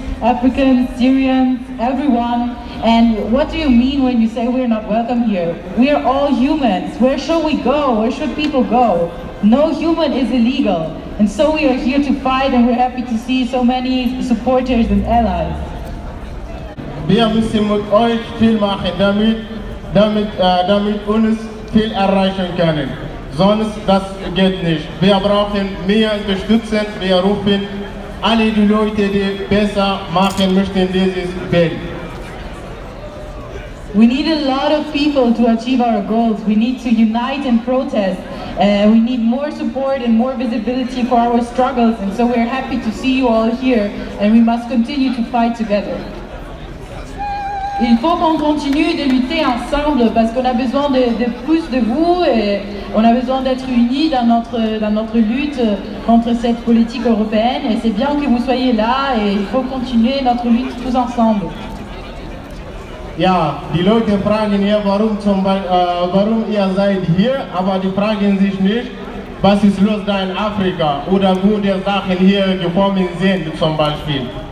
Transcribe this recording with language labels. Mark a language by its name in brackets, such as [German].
[English] Africans, Syrians, everyone. And what do you mean when you say we're not welcome here? We are all humans. Where should we go? Where should people go? No human is illegal. And so we are here to fight and we're happy to see so many supporters and allies. [German] Wir müssen mit euch viel machen, damit uns viel erreichen können. Sonst das geht nicht. Wir brauchen mehr Unterstützung. Wir rufen alle die Leute, die besser machen möchten, dieses Bild. [English] We need a lot of people to achieve our goals. We need to unite and protest. We need more support and more visibility for our struggles. And so we're happy to see you all here. And we must continue to fight together. [French] Il faut qu'on continue de lutter ensemble parce qu'on a besoin de plus de vous et on a besoin d'être unis dans notre lutte contre cette politique européenne. Et c'est bien que vous soyez là et il faut continuer notre lutte tous ensemble. [German] Ja, die Leute fragen hier, warum ihr seid hier, aber die fragen sich nicht, was ist los da in Afrika oder wo die Sachen hier gekommen sind zum Beispiel.